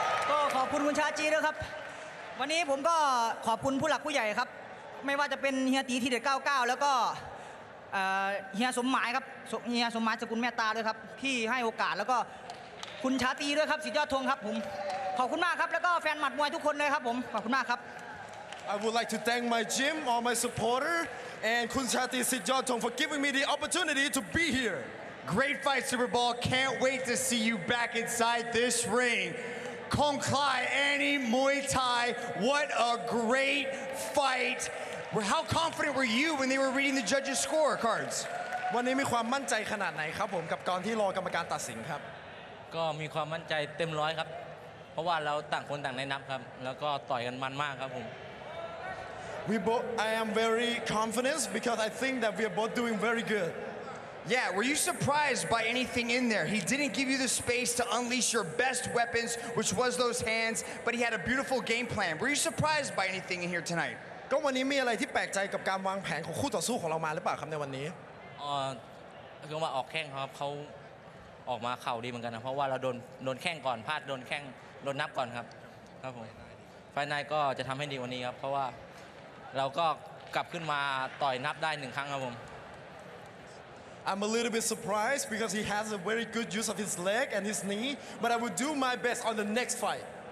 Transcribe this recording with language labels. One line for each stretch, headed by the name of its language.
Thai: ก็ขอบคุณคุณชาตรีด้วยครับวันนี้ผมก็ขอบคุณผู้หลักผู้ใหญ่ครับไม่ว่าจะเป็นเฮียตีที่Tded99แล้วก็เฮียสมหมายครับเฮียสมหมายสกุลแม่ตาด้วยครับที่ให้โอกาสแล้วก็คุณชาตีด้วยครับสุดยอดทงครับผมขอบคุณมากครับแล้วก็แฟนหมัดมวยทุกคนเลยครับผมขอบคุณมากครับ
English: I would like to thank my gym, all my supporter, and คุณชาตีสุดยอดทง for giving me the opportunity to be here. Great fight, Superball. Can't wait to see you back inside this ring. Kongklai Annymuaythai, what a great fight. How confident were you when they were reading the judges' scorecards?
Thai: วันนี้มีความมั่นใจขนาดไหนครับผมกับการที่รอกรรมการตัดสินครับ ก็มีความมั่นใจเต็มร้อยครับเพราะว่าเราต่างคนต่างได้นับครับแล้วก็ต่อยกันมันมากครับผม
English: I am very confident because I think that we are both doing very good. Yeah, were you surprised by anything in there? He didn't give you the space to unleash your best weapons, which was those hands, but he had a beautiful game plan. Were you surprised by anything in here tonight?
Thai: ก็วันนี้มีอะไรที่แปลกใจกับการวางแผนของคู่ต่อสู้ของเรามาหรือเปล่าครับในวันนี้คือว่าออกแข้งครับเขาออกมาเข่าดีเหมือนกันนะเพราะว่าเราโดนแข้งก่อนพลาดโดนแข้งโดนนับก่อนครับครับผมไฟนอลก็จะทำให้ดีวันนี้ครับเพราะว่าเราก็กลับขึ้นมาต่อยนับได้หนึ่งครั้งครับผม
English: I'm a little bit surprised because he has a very good use of his leg and his knee, but I will do my best on the next fight.